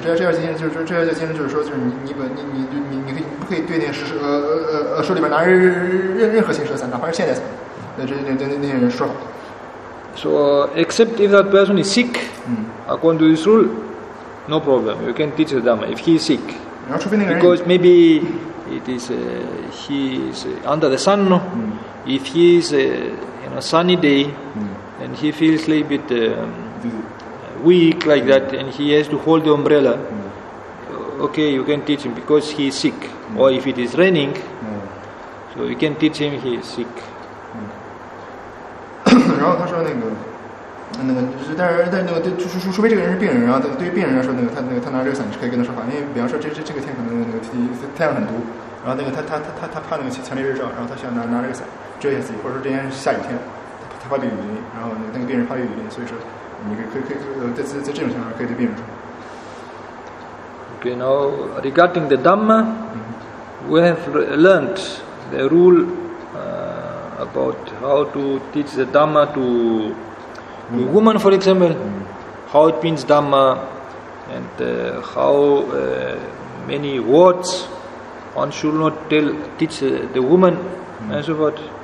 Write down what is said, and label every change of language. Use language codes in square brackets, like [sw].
[zh] 这件事就是说，就是你不可以对那手里边拿任何形式的伞，哪怕是现代伞，那些人说法。 [en] So, except if that person is sick, according to this rule, no problem. You can teach the Dhamma if he is sick. Because maybe it is, he is under the sun. If he is in a sunny day and he feels a little bit weak like that and he has to hold the umbrella, okay, you can teach him because he is sick. Or if it is raining, so you can teach him he is sick. [zh] 然后他说那个，但那个对，除非这个人是病人，然后对于病人来说，他拿这个伞是可以跟他说话，因为比方说这个天可能那个太阳很毒，然后那个他怕那个强烈日照，然后他想拿这个伞遮一下自己，或者说今天是下雨天，他怕淋雨淋，然后那个病人怕淋雨淋，所以说你可以在这种情况下可以对病人说。 [en] Okay, now regarding the Dhamma, we have learned the rule. About how to teach the Dhamma to a woman, for example, how it means Dhamma, and how many words one should not teach the woman, and so forth.